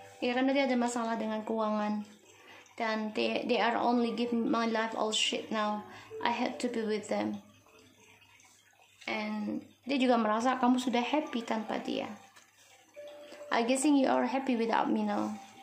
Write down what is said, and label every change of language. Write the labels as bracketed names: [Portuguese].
[Indonesian] Ya, karena dia ada masalah dengan keuangan. [English] Dan they are only give my life all shit now. I had to be with them. [Indonesian] And dia juga merasa kamu sudah happy tanpa dia. [English] I guessing you are happy without me now.